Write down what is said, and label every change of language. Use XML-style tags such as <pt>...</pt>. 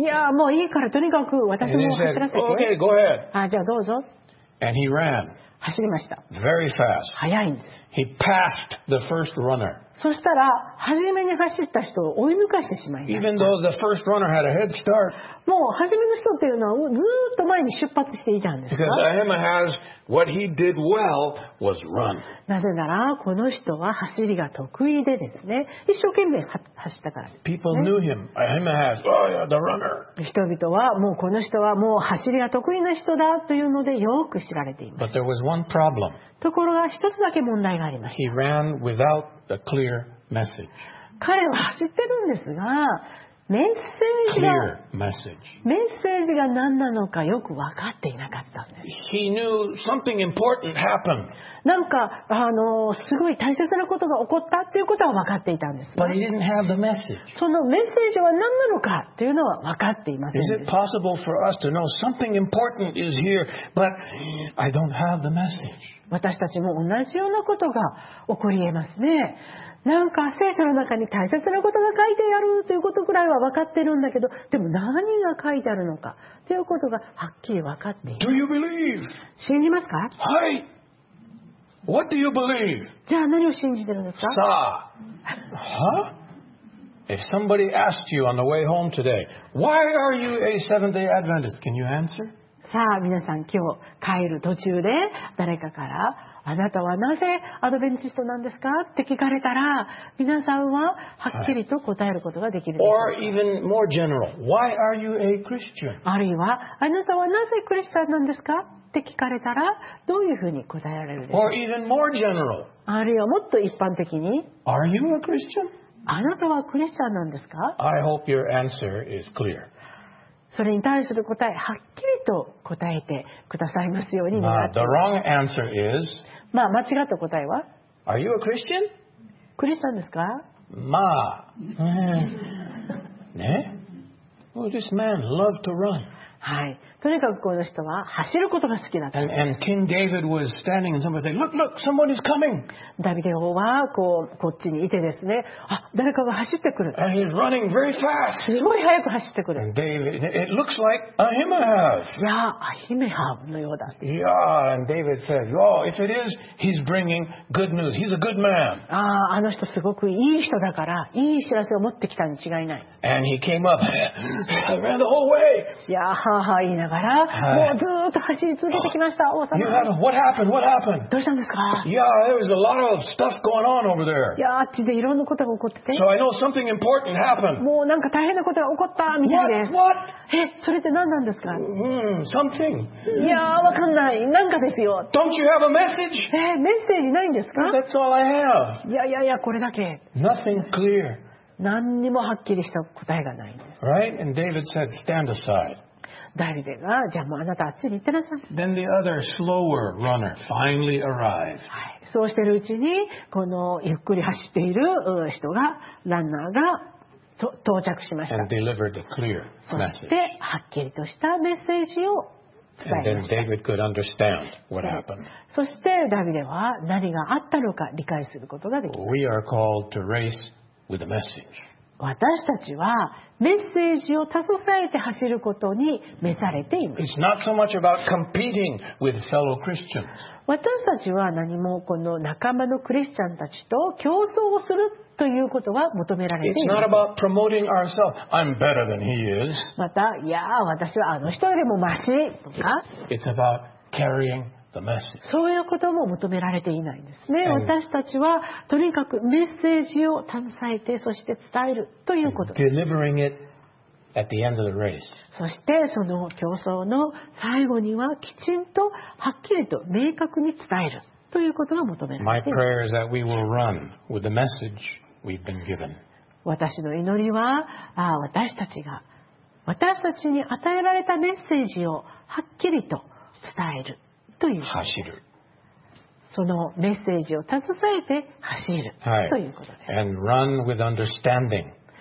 <ja>いや、もういいから、とにかく私も走らせて。</ja> <en>And he said, okay, go ahead.</en> <ja>あ、じゃあどうぞ。</ja> <en>And he ran.</en> <ja>走りました。</ja> <en>Very fast.</en> <ja>速いんです。</ja> <en>He passed the first runner.</en> <ja>そしたら初めに走った人を追い抜かしてしまいました。</ja> <en>Even though the first runner had a head start.</en> <ja>もう初めの人っていうのはずっと前に出発していたんですか。</ja> <en>Because Ahimaaz, what he did well was run.</en> <ja>なぜならこの人は走りが得意でですね、一生懸命走ったからです、ね。</ja> <en>People knew him. Ahimaaz, oh yeah, the runner.</en> <ja>人々はもうこの人はもう走りが得意な人だというのでよく知られています。</ja> <en>But there was one problem.</en> <ja>ところが一つだけ問題があります。</ja> <en>He ran without a clear message.</en> <ja>彼は走ってるんですが、メッセージが、メッセージが何なのかよく分かっていなかったんです。</ja> <en>He knew something important happened.</en> <ja>なんかすごい大切なことが起こったっていうことは分かっていたんです、ね。</ja> <en>But he didn't have the message.</en> <ja>そのメッセージは何なのかというのは分かっていませんで</ja> <en>Is it possible for us to know something important is here, but I don't have the message?</en> <ja>私たちも同じようなことが起こり得ますね。なんか聖書の中に大切なことが書いてあるということくらいは分かってるんだけど、でも何が書いてあるのかということがはっきり分かっている。</ja> <en>Do you believe?</en> <ja>信じますか？</ja> <en>はい。What do you believe?</en> <ja>じゃあ何を信じてるんですか？さあ、huh?</ja> <en>If somebody asked you on the way home today, why are you a Seventh-day Adventist? Can you answer?</en> <ja>さあ皆さん今日帰る途中で誰かから。あなたはなぜアドベンチストなんですかって聞かれたら、皆さんははっきりと答えることができるでしょう。</ja> <en>Or even more general, why are you a Christian?</en> <ja>あるいは、あなたはなぜクリスチャンなんですかって聞かれたら、どういうふうに答えられるでしょう。</ja> <en>Or even more general,</en> <ja>あるいはもっと一般的に、</ja> <en>are you a Christian?</en> <ja>あなたはクリスチャンなんですか。</ja> <en>I hope your answer is clear.</en> <ja>それに対する答え、はっきりと答えてくださいますように願っています。まあ、間違った答えは？</ja> <en>Are you a Christian?</en> <ja>クリスチャンですか？まあ、ね。</ja> <en>Well, this man loved to run.</en> <ja>はい。とにかくこの人は走ることが好きだった。</ja> <en>And King David was standing and somebody said, "Look, look, someone is coming."</en> <ja>ダビデ王はこうこっちにいてですね、あ、誰かが走ってくる。</ja> <en>And he's running very fast.</en> <ja>すごい速く走ってくる。</ja> <en>And David, it looks like Ahimaaz.</en> <ja>いや、アヒメハブのようだ。</ja> <en>Yeah, and David said, "Oh, if it is, he's bringing good news. He's a good man."</en> <ja>あの人すごくいい人だから、いい知らせを持ってきたに違いない。</ja> <en>And he came up, ran the whole way.</en> <ja>いや、はは、いいな。からもうずっと走り続けてきました。王様、</ja> <en>you have, what happened? What happened?</en> <ja>どうしたんですか。</ja> <en>いや、there was a lot of stuff going on over there.</en> <ja>いや、あっちでいろんなことが起こってて。</ja> <en>So I know something important happened.</en> <ja>もうなんか大変なことが起こったみたいです。</ja> <en>What?</en> <ja>え、それって何なんですか。</ja> <en>Something.</en> <ja>いや、わかんない。なんかですよ。</ja> <en>Don't you have a message?</en> <ja>え、メッセージないんですか。</ja> <en>That's all I have.</en> <ja>いやいやいや、これだけ。</ja> <en>Nothing clear.</en> <ja>何にもはっきりした答えがないんです。</ja> <en>Right? And David said, stand aside.</en> <ja>ダビデが、じゃあもうあなたあっちに行ってなさい。</ja> <en>Then the other slower runner finally arrived.</en> <ja>はい、そうしているうちにこのゆっくり走っている人がランナーが到着しました。</ja> <en>And delivered the clear message.</en> <ja>そしてはっきりとしたメッセージを伝えました。</ja> <en>And then David could understand what happened.</en> <ja>そしてダビデは何があったのか理解することができました。</ja> <en>We are called to race with a message.</en> <ja>私たちはメッセージを携えて走ることに召されています。</ja> <en>It's not so much about competing with fellow Christians.</en> <ja>私たちは何もこの仲間のクリスチャンたちと競争をするということは求められています。</ja> <en>It's not about promoting ourselves. I'm better than he is.</en> <ja>また、いや、私はあの人よりもマシとか。</ja> <en>It's about carrying.</en> <ja>そういうことも求められていないんですね。私たちはとにかくメッセージを携えて、そして伝えるということです。</ja> <en>Delivering it at the end of the race.</en> <ja>そしてその競争の最後にはきちんとはっきりと明確に伝えるということが求められています。</ja> <en>My prayer is that we will run with the message we've been given.</en> <ja>私の祈りは、私たちに与えられたメッセージをはっきりと伝える。という走る。そのメッセージを携えて走る、はい、ということです。</ja> <en>And run with understanding.</en>